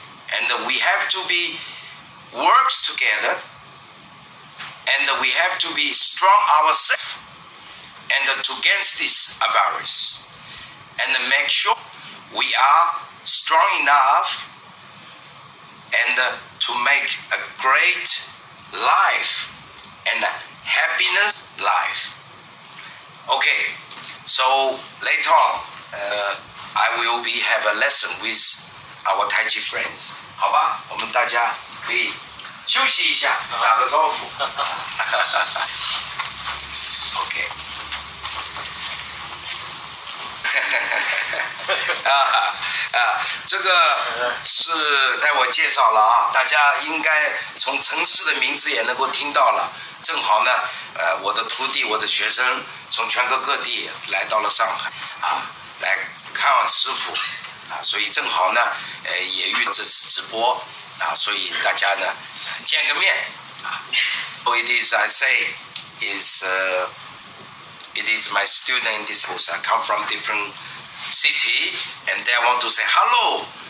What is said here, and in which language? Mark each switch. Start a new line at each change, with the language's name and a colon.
English: And we have to be works together, and we have to be strong ourselves, and to against this virus, and make sure we are strong enough, and to make a great life and a happiness life. Okay, so later on, I will be have a lesson with our Tai Chi friends.
Chinese: 好吧，我们大家可以休息一下，打个招呼。
English: OK。
Chinese: 这个是带我介绍了啊，大家应该从城市的名字也能够听到了。正好呢，我的徒弟、我的学生从全国各地来到了上海啊，来看望师傅。所以正好呢，也遇这次直播，所以大家呢见个面，
English: So it is I say is it is my student in this house. I come from different city, and they want to say hello